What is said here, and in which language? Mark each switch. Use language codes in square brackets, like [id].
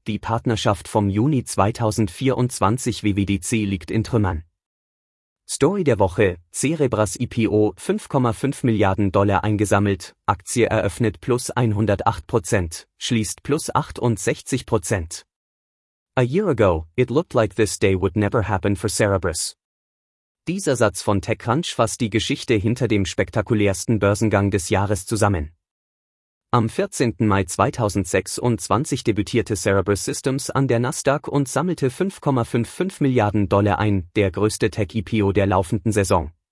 [de] Die Partnerschaft vom Juni 2024 WWDC liegt in Trümmern. Story der Woche. Cerebras IPO 5,5 Milliarden Dollar eingesammelt. Aktie eröffnet plus 108%, schließt plus 68%. [en] A year ago, it looked like this day would never happen for Cerebras. [de] Dieser Satz von TechCrunch fasst die Geschichte hinter dem spektakulärsten Börsengang des Jahres zusammen. Am 14. Mai 2026 debütierte Cerebras Systems an der Nasdaq und sammelte 5,55 Milliarden Dollar ein, der größte Tech-IPO der laufenden Saison.